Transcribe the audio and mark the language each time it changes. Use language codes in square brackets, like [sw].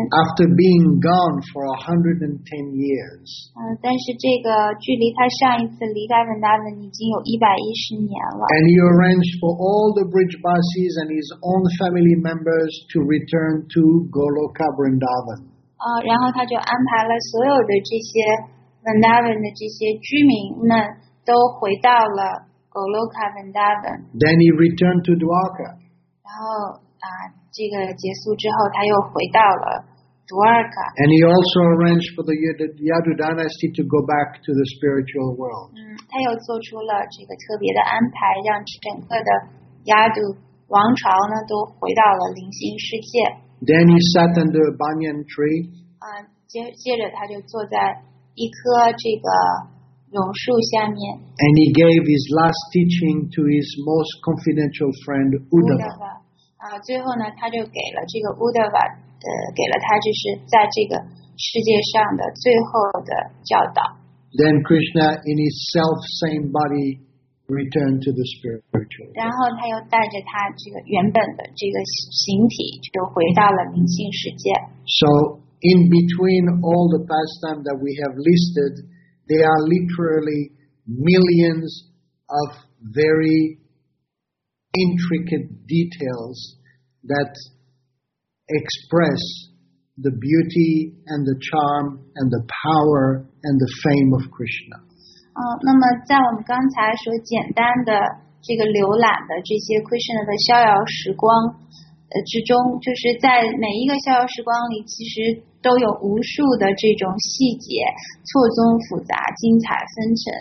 [en] After being gone for 110 years. [zh] 但是这个距离他上一次离开 Vrindavan 已经有110年了。 [en] And he arranged for all the bridge buses and his own family members to return to Goloka Vrindavan. [zh] 然后他就安排了所有的这些。 Vrindavan 的这些居民们都回到了 Goloka Vrindavan. [en] Then he returned to Dwarka. [zh] 然后这个结束之后，他又回到了 Dwarka. [en] And he also arranged for the Yadu dynasty to go back to the spiritual world. [zh] 他又做出了这个特别的安排，让整个的 Yadu 王朝呢都回到了灵性世界。 [en] Then he sat under a banyan tree. [zh] 接着他就坐在一棵这个榕树下面。 [en] And he gave his last teaching to his most confidential friend Uddhava. [zh] 最后呢，他就给了这个 Uddhava， 给了他就是在这个世界上的最后的教导。 [en] Then Krishna, in his self-same body, returned to the spiritual. [zh] 然后他又带着他这个原本的这个形体，就回到了灵性世界。 [en] So. In between all the pastimes that we have listed, there are literally millions of very intricate details that express the beauty and the charm and the power and the fame of Krishna. [zh] 那么在我们刚才所简单的这个浏览的这些 Krishna 的逍遥时光之中，就是在每一个逍遥时光里，其实都有无数的这种细节，错综复杂，精彩纷呈。